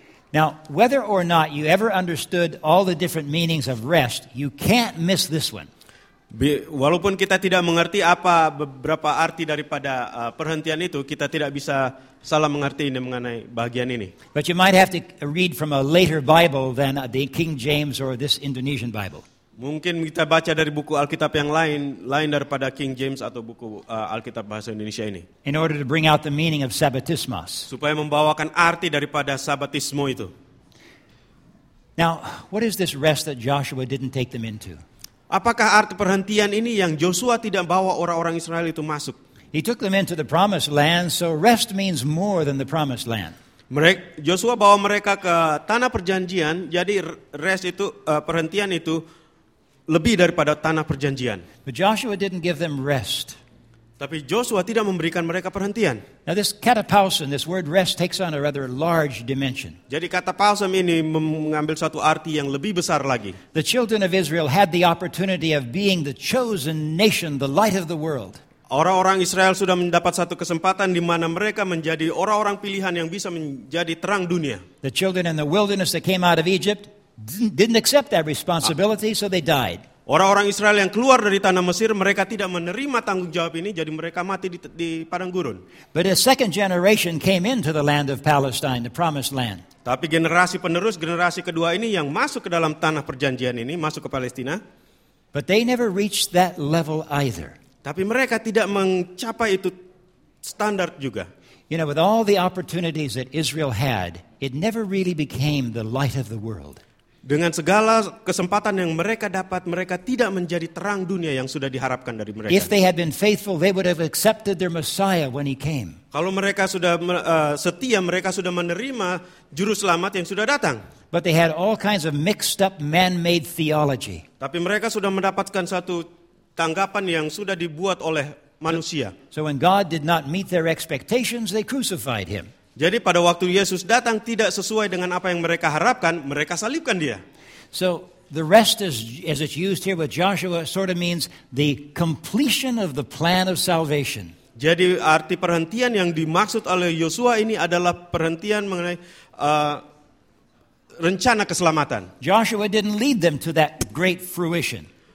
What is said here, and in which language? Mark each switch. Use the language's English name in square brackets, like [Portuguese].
[English] Now, whether or not you ever understood all the different meanings of rest, you can't miss this one. [Indonesian] Walaupun kita tidak mengerti apa beberapa arti daripada perhentian itu, kita tidak bisa salah mengerti ini mengenai bagian ini. [English] But you might have to read from a later Bible than the King James or this Indonesian Bible. [Indonesian] Mungkin kita baca dari buku Alkitab yang lain daripada King James atau buku Alkitab bahasa Indonesia ini. [English] In order to bring out the meaning of sabbatismos. [Indonesian] Supaya membawakan arti daripada sabbatismo itu. [English] Now, what is this rest that Joshua didn't take them into? [Indonesian] Apakah arti perhentian ini yang Joshua tidak bawa orang-orang Israel itu masuk? [English] He took them into the promised land, so rest means more than the promised land. [Indonesian] Joshua bawa mereka ke tanah perjanjian, jadi rest itu perhentian itu lebih daripada tanah perjanjian. [English] But Joshua didn't give them rest. [Indonesian] Tapi Joshua tidak memberikan mereka perhentian. [English] Now this katapausen, this word rest takes on a rather large dimension. [Indonesian] Jadi katapausen ini mengambil satu arti yang lebih besar lagi. [English] The children of Israel had the opportunity of being the chosen nation, the light of the world. [Indonesian] Orang-orang Israel sudah mendapat satu kesempatan di mana mereka menjadi orang-orang pilihan yang bisa menjadi terang dunia. [English] The children in the wilderness that came out of Egypt didn't accept that responsibility, so they died. [Indonesian] Orang-orang Israel yang keluar dari tanah Mesir, mereka tidak menerima tanggung jawab ini, jadi mereka mati di padang gurun. [English] But a second generation came into the land of Palestine, the promised land. [Indonesian] Tapi generasi penerus, generasi kedua ini yang masuk ke dalam tanah perjanjian ini, masuk ke Palestina. [English] But they never reached that level either. [Indonesian] Tapi mereka tidak mencapai itu standar juga. [English] You know, with all the opportunities that Israel had, it never really became the light of the world. [Indonesian] Dengan segala kesempatan yang mereka dapat, mereka tidak menjadi terang dunia yang sudah diharapkan dari mereka. [English] If they had been faithful, they would have accepted their Messiah when he came. [Indonesian] Kalau mereka sudah setia, mereka sudah menerima juru selamat yang sudah datang. [English] But they had all kinds of mixed up man-made theology. [Indonesian] Tapi mereka sudah mendapatkan satu tanggapan yang sudah dibuat oleh manusia. [English] So when God did not meet their expectations, they crucified him. [Indonesian] Jadi pada waktu Yesus datang tidak sesuai dengan apa yang mereka harapkan, mereka salibkan dia. [English] So the rest is, as it's used here with Joshua, sort of means the completion of the plan of salvation. [Indonesian] Jadi arti perhentian yang dimaksud oleh Yosua ini adalah perhentian mengenai rencana keselamatan. [English] Joshua didn't lead them to that great fruition.